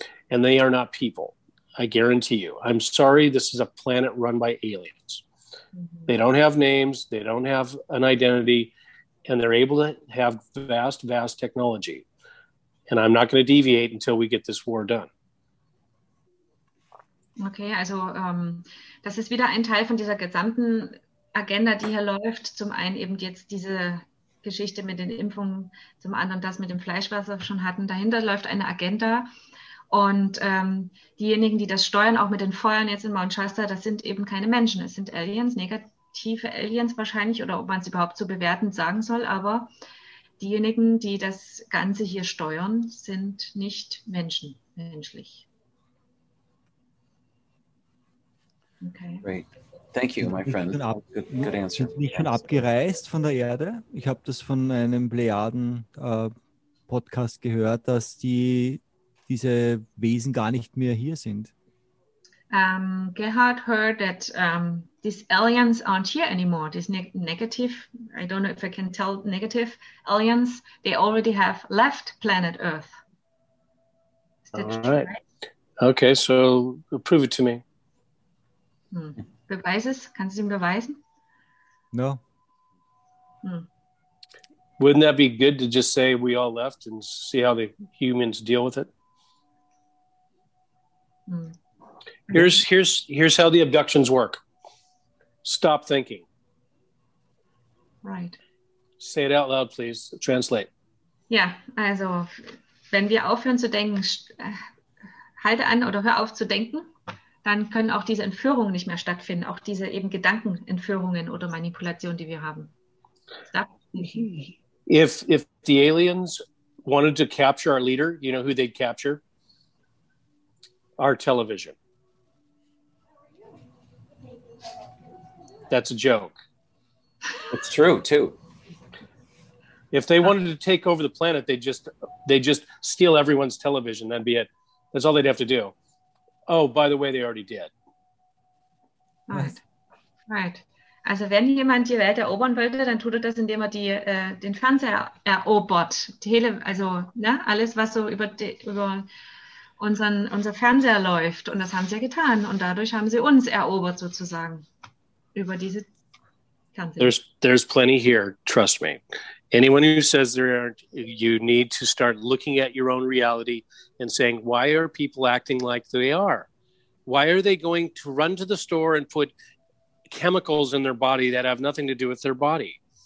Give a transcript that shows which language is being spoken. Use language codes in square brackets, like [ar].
[en] And they are not people, I guarantee you. I'm sorry, this is a planet run by aliens. They don't have names, they don't have an identity, and they're able to have vast, vast technology. And I'm not going to deviate until we get this war done. [de] Okay, also das ist wieder ein Teil von dieser gesamten Agenda, die hier läuft. Zum einen eben jetzt diese Geschichte mit den Impfungen, zum anderen das mit dem Fleisch, was wir schon hatten. Dahinter läuft eine Agenda. Und diejenigen, die das steuern, auch mit den Feuern jetzt in Mount Shasta, das sind eben keine Menschen. Es sind Aliens, negative Aliens wahrscheinlich, oder ob man es überhaupt so bewertend sagen soll. Aber diejenigen, die das Ganze hier steuern, sind nicht Menschen, menschlich. [en] Okay. Great. Thank you, my friend. Good answer. [de] Ich bin schon abgereist von der Erde. Ich habe das von einem Plejaden-Podcast gehört, dass diese Wesen gar nicht mehr hier sind. [en] Gerhard heard that these aliens aren't here anymore. These negative, I don't know if I can tell negative aliens, they already have left planet Earth. Is that true? All right. Okay, so prove it to me. [de] Beweis es? Kannst du es ihm beweisen? [en] No. Wouldn't that be good to just say we all left and see how the humans deal with it? Here's how the abductions work. Stop thinking. Right. Say it out loud, please. Translate. [de] Ja, also, wenn wir aufhören zu denken, halte an oder hör auf zu denken, dann können auch diese Entführungen nicht mehr stattfinden, auch diese eben Gedankenentführungen oder Manipulationen, die wir haben. [en] Stop. If the aliens wanted to capture our leader, you know who they'd capture? Our television. That's a joke. It's true, too. If they wanted to take over the planet, they just steal everyone's television. That'd be it. That's all they'd have to do. Oh, by the way, they already did. Right. [de] Also wenn jemand die Welt erobern wollte, dann tut er das, indem er den Fernseher erobert. Alles, was so über unser Fernseher läuft. Und das haben sie ja getan. Und dadurch haben sie uns erobert, sozusagen. Über diese Fernseher. [en] There's plenty here, trust me. Anyone who says there aren't, you need to start looking at your own reality and saying, why are people acting like they are? Why are they going to run to the store and put chemicals in their body that have nothing to do with their body?